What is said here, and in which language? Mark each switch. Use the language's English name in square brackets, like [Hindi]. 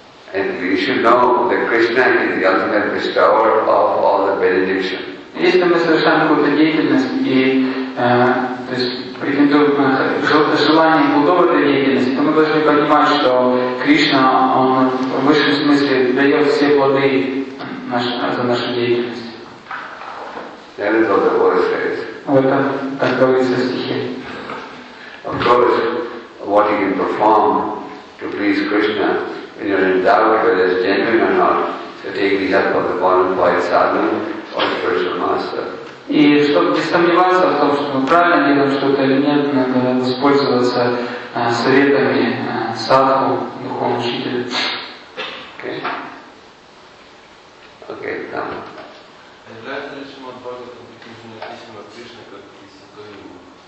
[English] And we should know that Krishna is the ultimate bestower of all the benediction. [Russian] Если мы совершаем какую-то деятельность и то есть претендуем желание плодов этой деятельности, то мы должны понимать, что Кришна, он в высшем смысле дает все плоды за нашу деятельность. [English] That is what the verse says. [Russian] Вот так говорится в стихе. [English] Of course, what you can perform to please Krishna. When you're in doubt whether it's genuine or not, so take the help of the bona fide sadhana or spiritual master. [Russian] И чтобы не сомневаться в том, что мы правильно делаем что-то или нет, надо воспользоваться советами садху, духовного учителя. [English] Okay. Okay, come. [Russian] Является ли Шримад-Бхагаватам таким же написанным от Кришны, как и Святой Гуру?